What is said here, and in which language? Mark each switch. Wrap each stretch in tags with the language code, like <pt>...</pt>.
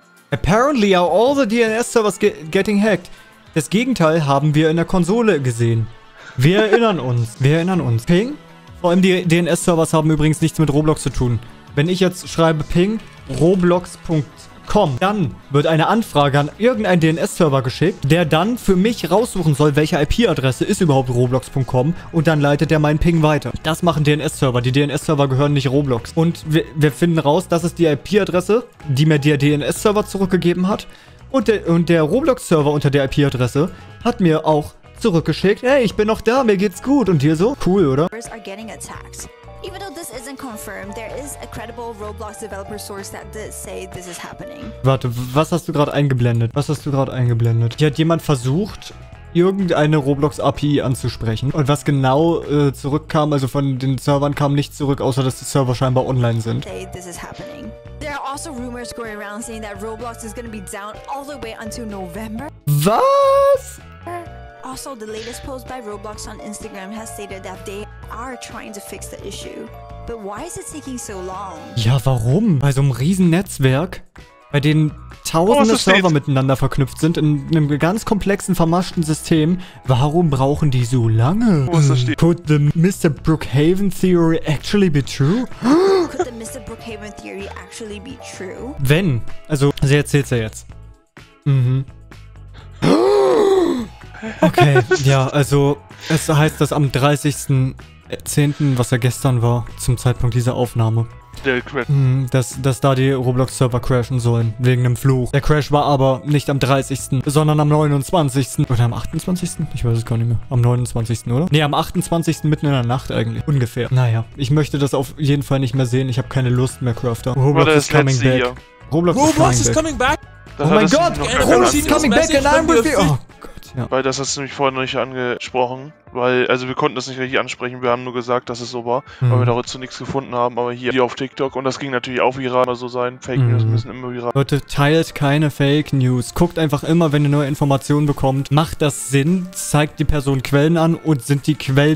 <en>Apparently are all the DNS-Servers getting hacked.</en> <de>Das Gegenteil haben wir in der Konsole gesehen. Wir erinnern uns. Ping? Vor allem die DNS-Servers haben übrigens nichts mit Roblox zu tun. Wenn ich jetzt schreibe ping roblox.com, dann wird eine Anfrage an irgendeinen DNS-Server geschickt, der dann für mich raussuchen soll, welche IP-Adresse ist überhaupt roblox.com, und dann leitet er meinen Ping weiter. Das machen DNS-Server. Die DNS-Server gehören nicht Roblox. Und wir finden raus, das ist die IP-Adresse, die mir der DNS-Server zurückgegeben hat. Und der Roblox-Server unter der IP-Adresse hat mir auch zurückgeschickt: Hey, ich bin noch da, mir geht's gut. Und dir so? Cool, oder?</de> <en>Even though this isn't confirmed, there is a credible Roblox developer source that did say this is happening.</en> <de>Warte, was hast du gerade eingeblendet? Hier hat jemand versucht, irgendeine Roblox API anzusprechen. Und was genau zurückkam, also von den Servern kam nichts zurück, außer dass die Server scheinbar online sind.</de> <en>Say this is happening. There are also rumors going around saying that Roblox is gonna be down all the way until November.</en> <de>Was?</de> <en>Also, the latest post by Roblox on Instagram has stated that they are trying to fix the issue. But why is it taking so long?</en> <de>Ja, warum? Bei so einem riesen Netzwerk, bei denen tausende Server miteinander verknüpft sind, in einem ganz komplexen, vermaschten System, warum brauchen die so lange?</de> <en>Could the Mr. Brookhaven Theory actually be true? Could the Mr. Brookhaven Theory actually be true?</en> <de>Wenn. Also, sie erzählt's ja jetzt. Mhm. Okay, ja, also es heißt, dass am 30.10., was ja gestern war, zum Zeitpunkt dieser Aufnahme, dass da die Roblox-Server crashen sollen, wegen einem Fluch. Der Crash war aber nicht am 30., sondern am 29. Oder am 28.? Ich weiß es gar nicht mehr. Am 29., oder? Nee, am 28. mitten in der Nacht eigentlich. Ungefähr. Naja, ich möchte das auf jeden Fall nicht mehr sehen. Ich habe keine Lust mehr, Crafter.</de> <en>Roblox is coming back.</en> <de>Oh mein Gott,</de> <en>Roblox is coming back and I'm with you.</en> <de>Ja. Weil das hast du nämlich vorhin noch nicht angesprochen. Weil, also wir konnten das nicht richtig ansprechen. Wir haben nur gesagt, dass es so war, weil wir dazu nichts gefunden haben. Aber hier auf TikTok, und das ging natürlich auch viral immer so sein. Fake News müssen immer viral. Leute, teilt keine Fake News. Guckt einfach immer, wenn ihr neue Informationen bekommt. Macht das Sinn? Zeigt die Person Quellen an? Und sind die Quellen,</de>